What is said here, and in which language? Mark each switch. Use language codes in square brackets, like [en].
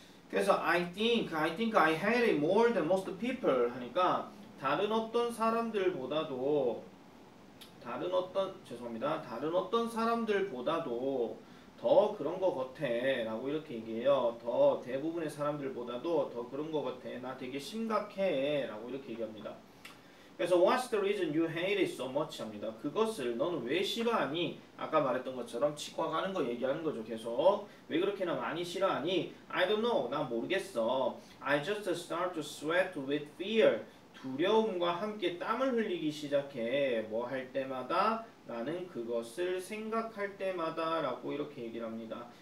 [ko] 그래서 [en] I think I had it more than most people [ko] 하니까 다른 어떤 사람들보다도 다른 어떤 사람들보다도 더 그런 것 같아 라고 이렇게 얘기해요. 더 대부분의 사람들보다도 더 그런 것 같아. 나 되게 심각해 라고 이렇게 얘기합니다. [en] 그래서 What's the reason you hate it so much? [ko] 합니다. 그것을 너는 왜 싫어하니? 아까 말했던 것처럼 치과 가는 거 얘기하는 거죠. 계속 왜 그렇게나 많이 싫어하니? [en] I don't know. [ko] 나 모르겠어. [en] I just start to sweat with fear. [ko] 두려움과 함께 땀을 흘리기 시작해. 뭐할 때마다 나는 그것을 생각할 때마다라고 이렇게 얘기를 합니다.